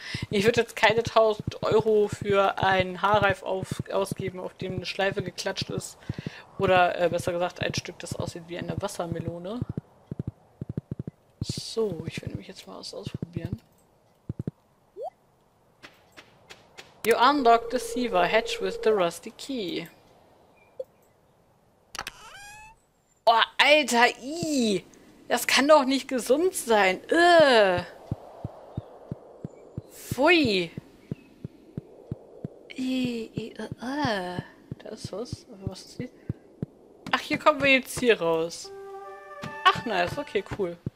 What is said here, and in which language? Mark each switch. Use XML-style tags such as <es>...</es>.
<de>Ich würde jetzt keine 1000 Euro für einen Haarreif ausgeben, auf dem eine Schleife geklatscht ist. Oder besser gesagt ein Stück, das aussieht wie eine Wassermelone. So, ich will nämlich jetzt mal was ausprobieren.</de> <en>You unlock the Siva Hatch with the Rusty Key.</en> <de>Oh, Alter, das kann doch nicht gesund sein. Pfui. Das ist was. Was ist hier? Ach, hier kommen wir jetzt hier raus. Ach, nice. Okay, cool.</de>